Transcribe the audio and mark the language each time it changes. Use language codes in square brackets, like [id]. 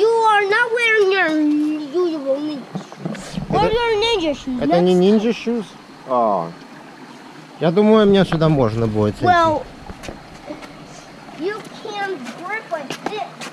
[en] You are not wearing your usual ninja. Where your ninja shoes? [ru] Это не [en] ninja shoes? А. Oh. [ru] Я думаю, мне сюда можно будет идти. [en] Well, you can grip like this.